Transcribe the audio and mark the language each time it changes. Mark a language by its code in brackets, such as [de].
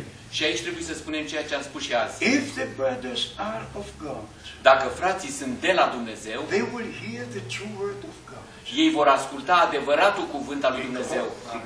[ro] Și aici trebuie să spunem ceea ce am spus și azi. [en] If the brothers are of God, [ro] dacă frații sunt de la Dumnezeu, [en] they will hear the true word of God. [ro] Ei vor asculta adevăratul cuvânt al lui Dumnezeu.